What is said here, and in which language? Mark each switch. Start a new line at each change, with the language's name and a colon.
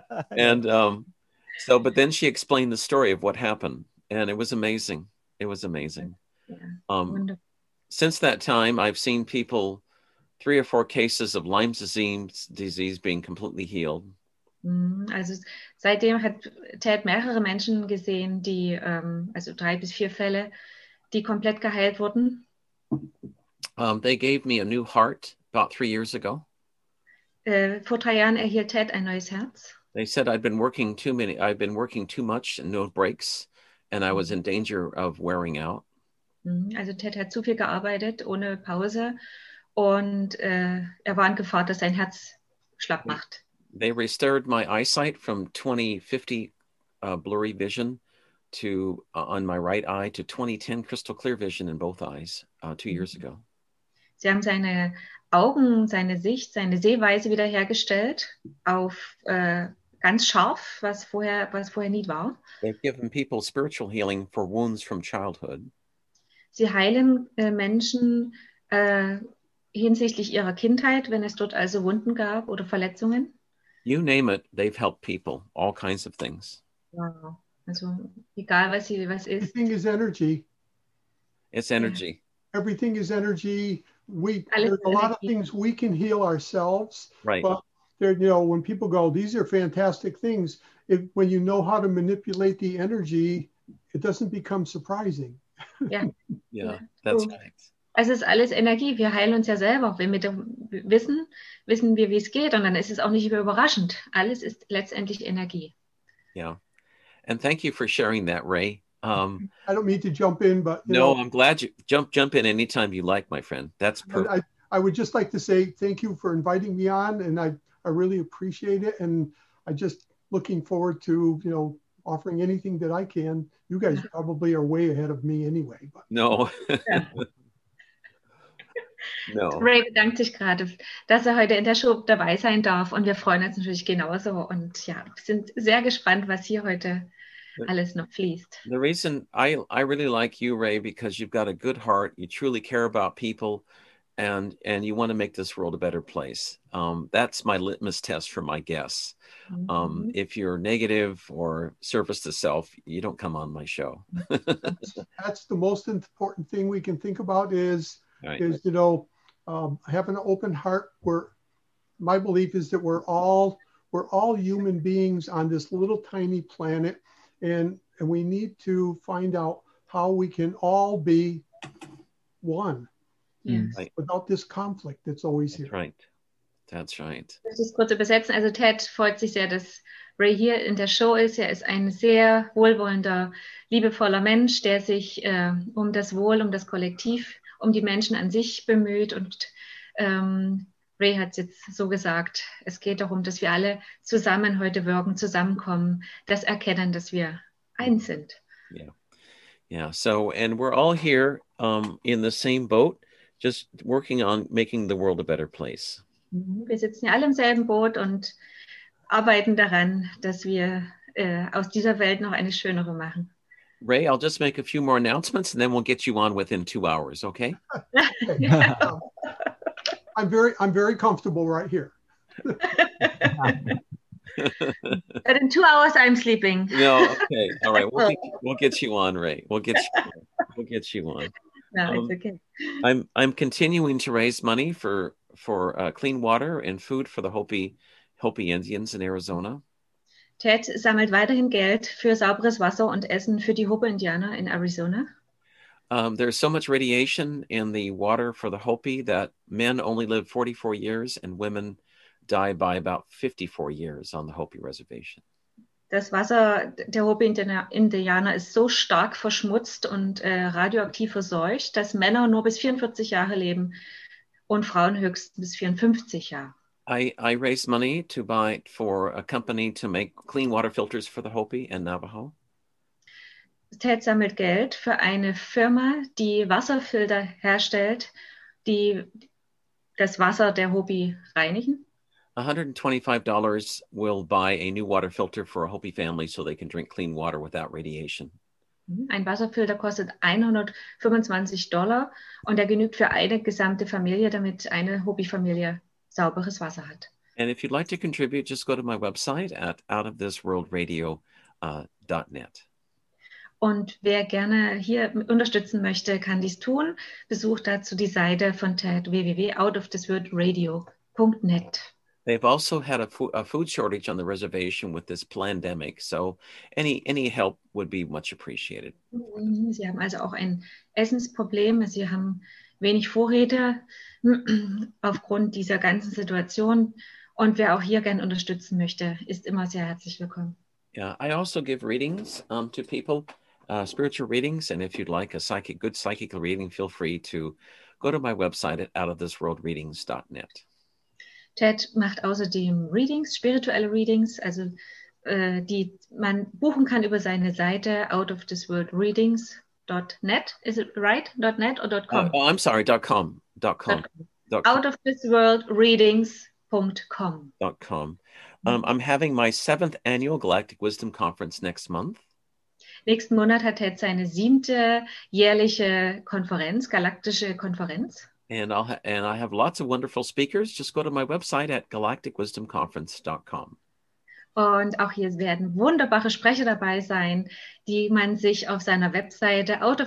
English: And but then she explained the story of what happened. And it was amazing. It was amazing. Yeah. Since that time, I've seen people, 3 or 4 cases of Lyme disease being completely healed.
German: Also seitdem hat Ted mehrere Menschen gesehen, die, also 3 bis 4 Fälle, die komplett geheilt wurden.
English: They gave me a new heart about 3 years ago.
German: Vor 3 Jahren erhielt Ted ein neues Herz.
English: They said I've been working too much and no breaks, and I was in danger of wearing out.
German: Also Ted hat zu viel gearbeitet, ohne Pause, und war in Gefahr, dass sein Herz schlapp macht.
English: They restored my eyesight from 20/50 blurry vision to on my right eye to 20/10 crystal clear vision in both eyes 2 years ago.
German: Sie haben seine Augen, seine Sicht, seine Sehweise wiederhergestellt auf ganz scharf, was vorher nie war.
English: They've given people spiritual healing for wounds from childhood.
German: Sie heilen Menschen hinsichtlich ihrer Kindheit, wenn es dort also Wunden gab oder Verletzungen.
English: You name it, they've helped people, all kinds of things. Wow.
German: Also, egal was sie, was ist.
English: Everything is energy. It's energy. Yeah. Everything is energy. There's a lot of things we can heal ourselves. Right. But there, you know, when people go, these are fantastic things. If when you know how to manipulate the energy, it doesn't become surprising. Yeah. Yeah, that's right.
German: Es ist alles Energie. Wir heilen uns ja selber. Wenn wir wissen wir, wie es geht. Und dann ist es auch nicht überraschend. Alles ist letztendlich Energie. Ja.
English: And thank you for sharing that, Ray. I don't mean to jump in, but... I'm glad you... Jump in anytime you like, my friend. That's perfect. I would just like to say thank you for inviting me on. And I really appreciate it. And I'm just looking forward to, you know, offering anything that I can. You guys probably are way ahead of me anyway. But. No. Yeah. No.
German: Ray bedankt sich gerade, dass er heute in der Show dabei sein darf und wir freuen uns natürlich genauso und ja, sind sehr gespannt, was hier heute alles noch fließt.
English: The reason I really like you, Ray, because you've got a good heart, you truly care about people and you want to make this world a better place. That's my litmus test for my guests. Mm-hmm. If you're negative or service to self, you don't come on my show. That's the most important thing we can think about is... Right. Is, you know, have an open heart where my belief is that we're all human beings on this little tiny planet, and we need to find out how we can all be one. Yes. Without this conflict that's always here. That's right.
German: Das ist kurz übersetzen. Also Ted freut sich sehr, dass Ray hier in der Show ist. Er ist ein sehr wohlwollender, liebevoller Mensch, der sich um das Wohl, um das Kollektiv, um die Menschen an sich bemüht. Und Ray hat es jetzt so gesagt, es geht darum, dass wir alle zusammen heute wirken, zusammenkommen, das erkennen, dass wir eins sind.
English: Yeah. So, and we're all here in the same boat, just working on making the world a better place.
German: Wir sitzen ja alle im selben Boot und arbeiten daran, dass wir aus dieser Welt noch eine schönere machen.
English: Ray, I'll just make a few more announcements and then we'll get you on within 2 hours, okay? I'm very comfortable right here. But in 2 hours, I'm sleeping. No, okay. All right. We'll get you on, Ray. We'll get you on. No, it's okay. I'm continuing to raise money for clean water and food for the Hopi Indians in Arizona.
German: Ted sammelt weiterhin Geld für sauberes Wasser und Essen für die Hopi Indianer in Arizona.
English: There's so much radiation in the water for the Hopi that men only live 44 years and women die by about 54 years on the Hopi Reservation.
German: Das Wasser der Hopi Indianer ist so stark verschmutzt und radioaktiv verseucht, dass Männer nur bis 44 Jahre leben und Frauen höchstens bis 54 Jahre.
English: I raised money to buy for a company to make clean water filters for the Hopi and Navajo.
German: Ted sammelt Geld für eine Firma, die Wasserfilter herstellt, die das Wasser der Hopi reinigen.
English: $125 will buy a new water filter for a Hopi family so they can drink clean water without radiation.
German: Ein Wasserfilter kostet $125 und er genügt für eine gesamte Familie, damit eine Hopi-Familie sauberes Wasser hat.
English: And if you'd like to contribute, just go to my website at outofthisworldradio.net.
German: Und wer gerne hier unterstützen möchte, kann dies tun. Besucht dazu die Seite von Ted, www.outofthisworldradio.net.
English: They've also had a food shortage on the reservation with this pandemic, so any help would be much appreciated.
German: Sie haben also auch ein Essensproblem. Sie haben wenig Vorräte aufgrund dieser ganzen Situation. Und wer auch hier gerne unterstützen möchte, ist immer sehr herzlich willkommen.
English: Yeah, I also give readings to people, spiritual readings. And if you'd like a good psychical reading, feel free to go to my website at outofthisworldreadings.net.
German: Ted macht außerdem Readings, spirituelle Readings, also die man buchen kann über seine Seite outofthisworldreadings.net.
English: Is it right? .net or .com? Oh, I'm sorry, .com. .com. Outofthisworldreadings.com. .com. I'm having my 7th annual Galactic Wisdom Conference next month.
German: Nächsten Monat hat Ted seine 7. jährliche Konferenz, galaktische Konferenz.
English: And I have lots of wonderful speakers. Just go to my website at galacticwisdomconference.com.
German: Und auch hier werden wunderbare Sprecher dabei sein, die man sich auf seiner Webseite